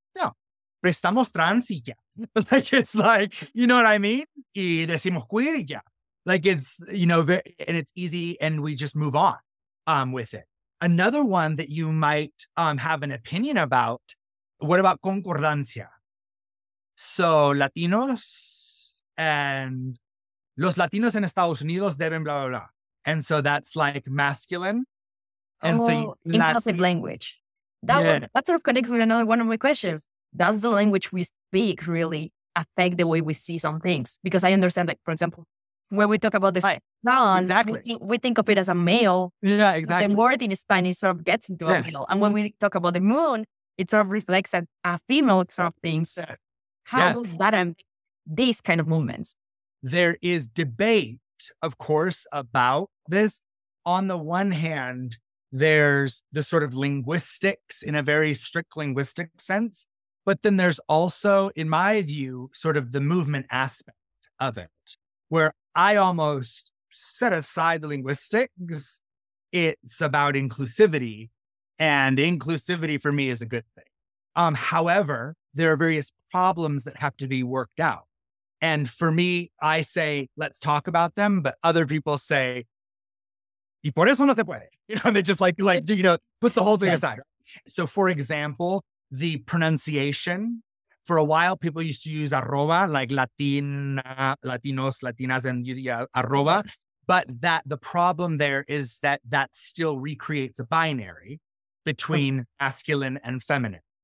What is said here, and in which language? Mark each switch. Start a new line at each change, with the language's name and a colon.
Spanish: No, prestamos trans y ya.
English: Like, it's like, you know what I mean?
Spanish: Y decimos queer y ya.
English: Like, it's, you know, and it's easy, and we just move on with it. Another one that you might have an opinion about, what about concordancia?
Spanish: So Latinos and los Latinos en Estados Unidos deben blah, blah, blah.
English: And so that's like masculine. And oh, so impulsive language. That, yeah. That sort of connects with another one of my questions. Does the language we speak really affect the way we see some things? Because I understand, like, for example, when we talk about this sound, exactly. we think of it as a male. Yeah, exactly. The word in Spanish sort of gets into a male. And when we talk about the moon, it sort of reflects a female sort of thing. So how does that affect these kind of movements? There is debate, of course, about this. On the one hand, there's the sort of linguistics in a very strict linguistic sense. But then there's also, in my view, sort of the movement aspect of it, where I almost set aside the linguistics. It's about inclusivity, and inclusivity for me is a good thing. However, there are various problems that have to be worked out. And for me, I say, let's talk about them. But other people say,
Spanish: y por eso no se puede.
English: You know, they just like, you know, put the whole thing aside. Right. So for example, the pronunciation. For a while, people used to use arroba, like Latina, Latinos, Latinas, and arroba. But that the problem there is that that still recreates a binary between masculine and feminine.